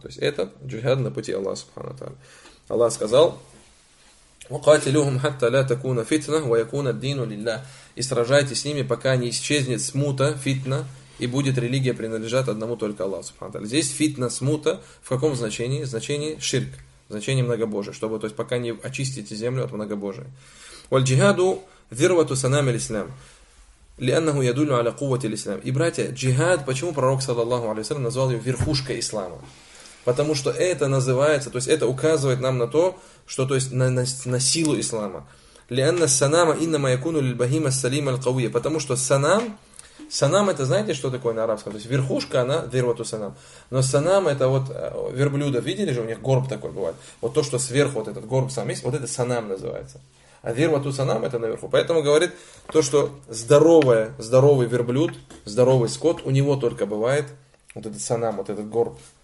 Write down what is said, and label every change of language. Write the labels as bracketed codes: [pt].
[ru] То есть этот джихад на пути Аллаха Субхану Тааля. Аллах сказал: [ar] «Укатилюхум хатта ля такуна фитна, ва якуна дину лилля». [ru] И сражайтесь с ними, пока не исчезнет смута, фитна, и будет религия принадлежать одному только Аллаху Субхану Тааля. Здесь фитна, смута, в каком значении? Значение ширк, значение многобожие, чтобы, то есть, пока не очистите землю от многобожия. [ar] «Валь джихаду ذروة سنام الإسلام لأنه يدل على قوة الإسلام». [ru] И братья, джихад, почему пророк саллаллаху алейхи ва саллям назвал его верхушкой ислама? Потому что это называется, то есть это указывает нам на то, что, то есть на силу ислама. [ar] لأن السنام إنما يكون للبهيمة السليمة القوية. [ru] Потому что санам это, знаете, что такое на арабском? То есть верхушка, она ذروة سنام. Но санам это вот верблюда, видели же, у них горб такой бывает. Вот то, что сверху вот этот горб сам есть, вот это санам называется. А вирвату санам это наверху. Поэтому говорит то, что здоровый верблюд, здоровый скот, у него только бывает вот этот санам, вот этот горб.